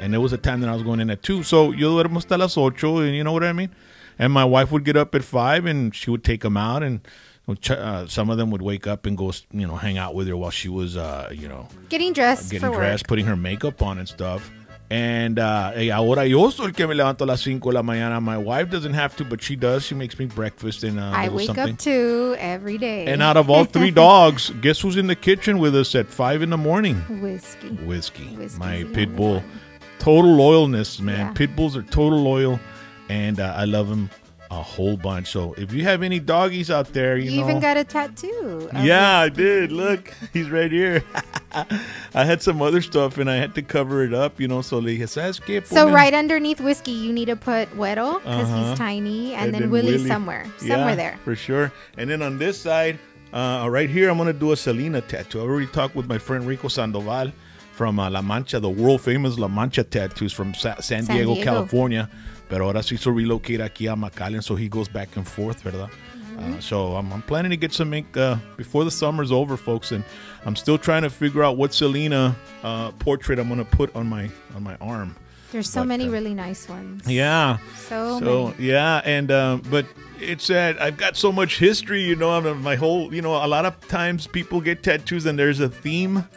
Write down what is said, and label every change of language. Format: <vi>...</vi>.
<en>And there was a time that I was going in at 2. So</en> <es>yo duermo hasta las 8,</es> <en>and you know what I mean? And my wife would get up at 5, and she would take them out, and some of them would wake up and go, hang out with her while she was, getting dressed, putting her makeup on and stuff.</en> <es>And ahora yo soy el que me levanto a las 5 de la mañana.</es> <en>My wife doesn't have to, but she does. She makes me breakfast and I wake something. Up too every day. And out of all three dogs, guess who's in the kitchen with us at 5 in the morning? Whiskey. My pit bull. Total loyalness, man. Yeah. Pit bulls are total loyal. And I love him a whole bunch. So if you have any doggies out there, you know. You even got a tattoo. Yeah, I did. Look, he's right here. I had some other stuff and I had to cover it up, so</en> <es>le dije, ¿sabes qué?</es> <en>So right underneath Whiskey, you need to put Weddle because he's tiny. And then Willie somewhere. Somewhere there. For sure. And then on this side, right here, I'm going to do a Selena tattoo. I already talked with my friend Rico Sandoval from La Mancha, the world famous La Mancha tattoos from San Diego, California. But</en> <es>ahora se hizo</es> <en>relocate</en> <es>aquí a</es> <en>McAllen, so he goes back and forth,</en> <es>¿verdad?</es> <en>Mm-hmm. So I'm planning to get some ink before the summer's over, folks. And I'm still trying to figure out what Selena portrait I'm going to put on my arm. There's so many really nice ones. Yeah. So many. Yeah, and but it's that I've got so much history, a lot of times people get tattoos and there's a theme.</en>